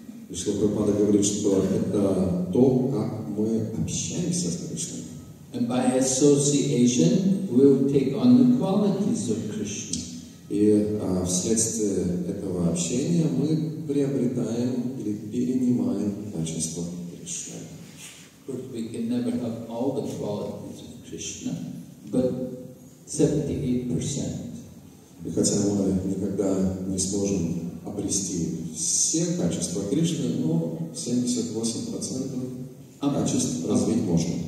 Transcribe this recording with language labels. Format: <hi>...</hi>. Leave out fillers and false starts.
<ru>И Шрила Прабхупада говорит, что это то, как мы общаемся с Кришной.</ru> <en>And by association, we'll take on the qualities of Krishna.</en> <ru>И вследствие этого общения мы приобретаем или перенимаем качество Кришны.</ru> <en>Of course, we can never have all the qualities of Krishna, but 78%.</en> <ru>И хотя мы никогда не сможем обрести все качества Кришны, но 78% качеств развить можно.</ru>